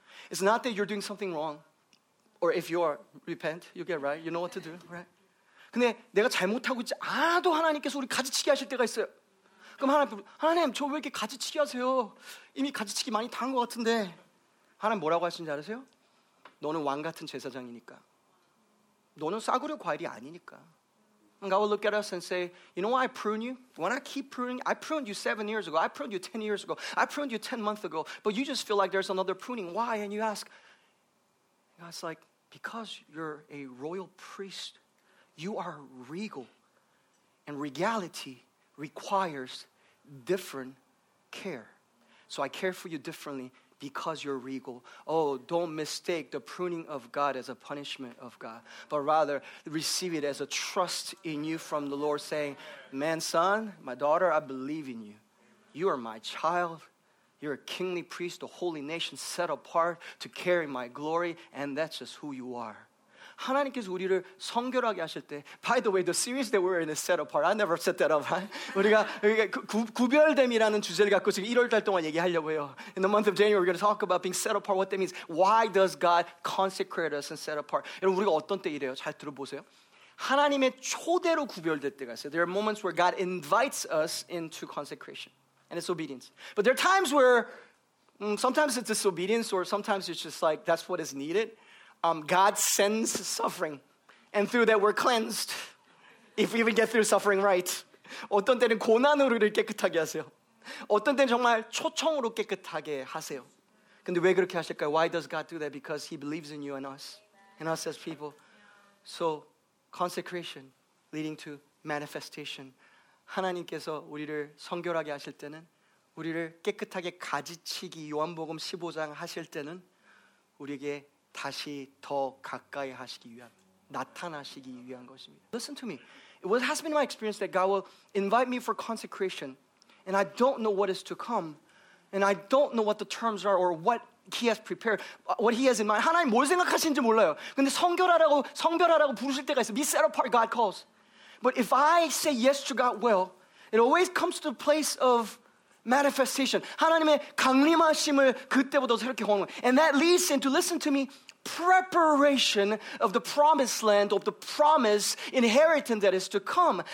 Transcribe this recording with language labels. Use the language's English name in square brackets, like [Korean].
[English] It's not that you're doing something wrong. Or if you are, repent, you get right. You know what to do, right? [Korean] 근데 내가 잘못하고 있지 않아도 하나님께서 우리 가지치기 하실 때가 있어요. 그럼 하나님 저 왜 이렇게 가지치기 하세요? 이미 가지치기 많이 당한 것 같은데. 하나님 뭐라고 하시는지 아세요? 너는 왕 같은 제사장이니까. 너는 싸구려 과일이 아니니까. [English] And God will look at us and say, you know why I prune you? When I keep pruning, I pruned you 7 years ago. I pruned you 10 years ago. I pruned you 10 months ago. But you just feel like there's another pruning. Why? And you ask. God's like, because you're a royal priest, you are regal. And regality requires different care. So I care for you differently because you're regal. Oh, don't mistake the pruning of God as a punishment of God, but rather receive it as a trust in you from the Lord saying, man, son, my daughter, I believe in you. You are my child. You're a kingly priest, a holy nation set apart to carry my glory, and that's just who you are. [Korean] 하나님께서 우리를 성결하게 하실 때, [English] by the way, the series that we're in is set apart. I never set that up. Huh? [Korean] 우리가 구별됨이라는 주제를 갖고 지금 1월 달 동안 얘기하려고 해요. [English] In the month of January, we're going to talk about being set apart, what that means. Why does God consecrate us and set apart? [Korean] 여러분, 우리가 어떤 때 이래요? 잘 들어보세요. 하나님의 초대로 구별될 때가 있어요. [English] There are moments where God invites us into consecration, and it's obedience. But there are times where sometimes it's disobedience, or sometimes it's just like that's what is needed. God sends suffering, and through that we're cleansed, if we even get through suffering right. [Korean] 어떤 때는 고난으로 우리를 깨끗하게 하세요. 어떤 때는 정말 초청으로 깨끗하게 하세요. 근데 왜 그렇게 하실까요? [English] Why does God do that? Because he believes in you and us, and us as people. So, consecration leading to manifestation. [Korean] 하나님께서 우리를 성결하게 하실 때는, 우리를 깨끗하게 가지치기 요한복음 15장 하실 때는 우리에게 다시 더 가까이 하시기 위한, 나타나시기 위한 것입니다. [English] Listen to me. It has been my experience that God will invite me for consecration, and I don't know what is to come, and I don't know what the terms are or what he has prepared, what he has in mind. [Korean] 하나님 뭘 생각하시는지 몰라요. 근데 성결하라고, 성별하라고 부르실 때가 있어요. [English] Be set apart, God calls. But if I say yes to God, well, it always comes to the place of manifestation. [Korean] 하나님의 강림하심을 그때부터 새롭게 거는 거예요. [English] And that leads into, listen to me, preparation of the promised land, of the promised inheritance that is to come.